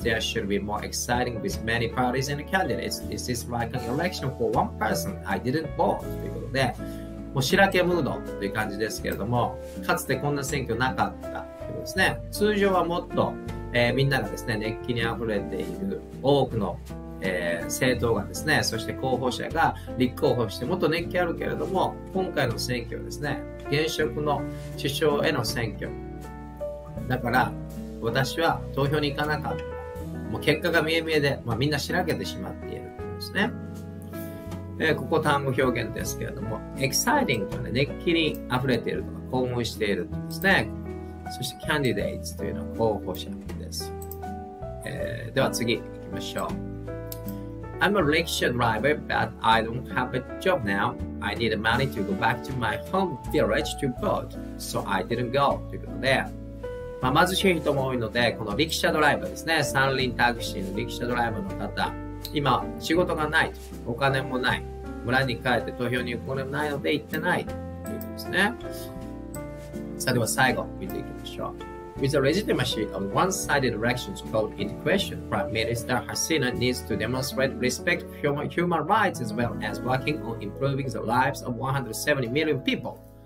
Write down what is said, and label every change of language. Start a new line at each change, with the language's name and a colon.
English: There should be more exciting with many parties and candidates. This is like an election for one person. I didn't vote.
Japanese: ということで、もうしらけムードという感じですけれども、かつてこんな選挙なかったということですね。通常はもっと、みんながですね、熱気にあふれている多くの政党がですね、そして候補者が立候補してもっと熱気あるけれども、今回の選挙はですね、現職の首相への選挙だから私は投票に行かなかった、もう結果が見え見えで、まあ、みんなしらけてしまっているんですね。ここ単語表現ですけれども、 exciting とは、ね、熱気にあふれているとか興奮しているとですね。そして candidates というのは候補者です。では次行きましょう。
English: I'm a rickshaw driver, but I don't have a job now. I need money to go back to my home village to vote, so I didn't go.
Japanese: ということで、まあ、貧しい人も多いので、このリキシャドライバーですね、三輪タクシーのリキシャドライバーの方、今仕事がない、お金もない、村に帰って投票に行くこともないので行ってないということですね。さあでは最後見ていきましょう。
English: With the legitimacy of one-sided elections called into question, Prime Minister Hasina needs to demonstrate respect for human rights as well as working on improving the lives of 170 million people.